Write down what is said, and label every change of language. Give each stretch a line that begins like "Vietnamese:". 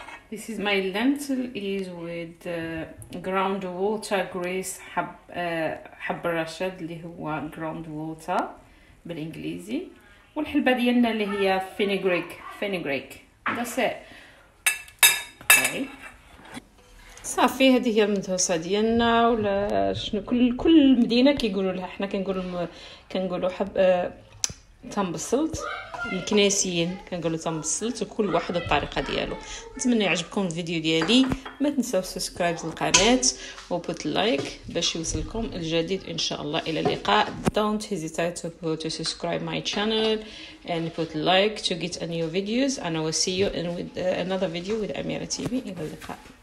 English: This is my lentil is with ground water grease
Arabic: حب الرشد اللي هو
English: ground water
Arabic: بالإنجليزي والحلبة ديالنا اللي هي
English: fenugreek that's it. Okay.
Arabic: صافي هذه هي المدهوسة ديالنا ولا شنو كل مدينة كيقولوا لها احنا كنقولوا حب تنبسط الكنيسيين كنقولوا تنبسط وكل واحد الطريقة ديالو. نتمنى يعجبكم الفيديو ديالي, ما تنسوا سبسكرايب للقناة وبوت لايك باش يوصلكم الجديد ان شاء الله. الى اللقاء.
English: Don't hesitate to subscribe my channel and put like to get a new videos and I will see you in with another video with Amira TV.
Arabic: الى اللقاء.